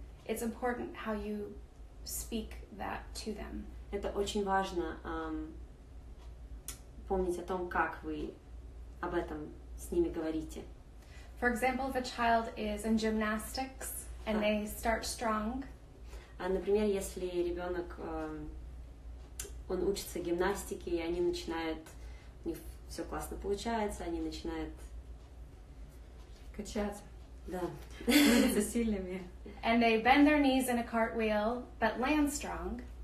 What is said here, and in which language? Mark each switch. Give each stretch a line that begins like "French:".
English: It's important how you speak that to them.
Russian: Это очень важно помнить о том, как вы об этом с ними говорите. For example, if a child is in gymnastics and they start strong. Например, если ребенок он учится гимнастике и они начинают, у них все классно получается, они начинают качаться. Да. За сильными.
English: And they bend their knees in a cartwheel, but land strong.